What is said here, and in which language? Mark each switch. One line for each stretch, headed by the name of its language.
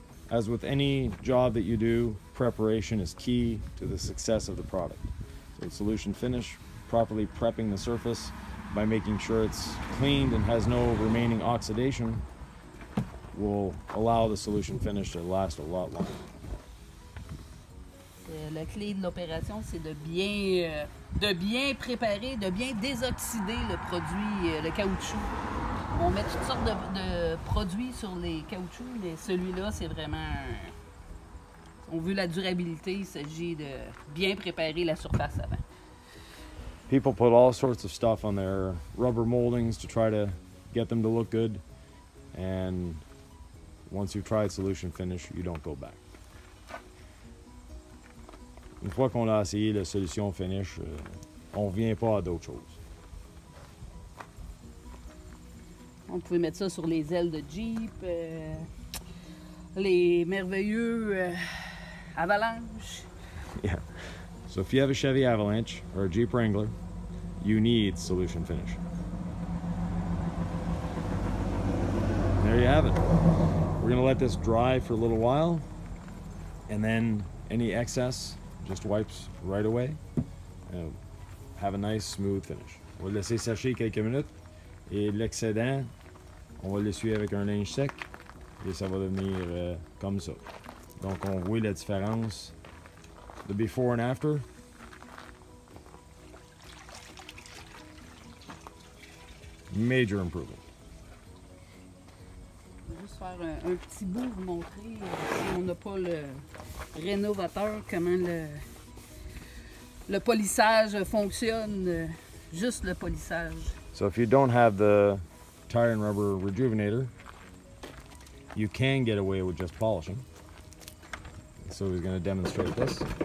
English: As with any job that you do, preparation is key to the success of the product. So with solution finish, properly prepping the surface by making sure it's cleaned and has no remaining oxidation will allow the solution finish to last a lot longer.
French: La clé de l'opération, c'est de bien préparer, de bien désoxyder le produit, le caoutchouc. On met toutes sortes de produits sur les caoutchoucs, mais celui-là, c'est vraiment... On veut la durabilité, il s'agit de bien préparer la surface avant.
English: People put all sorts of stuff on their rubber moldings to try to get them to look good. And once you've tried solution finish, you don't go back.
French: Une fois qu'on a essayé la solution finish, on ne vient pas à d'autres choses. On pouvait mettre ça sur les ailes de Jeep, les merveilleux Avalanche.
English: Yeah. So if you have a Chevy Avalanche or a Jeep Wrangler, you need solution finish. There you have it. We're going to let this dry for a little while, and then any excess just wipes right away and have a nice smooth finish.
French: On va laisser sécher quelques minutes et l'excédent, on va l'essuyer avec un linge sec et ça va devenir comme ça. Donc on voit la différence,
English: the before and after. Major improvement.
French: Je vais juste faire un petit bout, vous montrer si on n'a pas le rénovateur, comment le polissage fonctionne, juste le polissage.
English: So if you don't have the tire and rubber rejuvenator, you can get away with just polishing. So we're going to demonstrate this.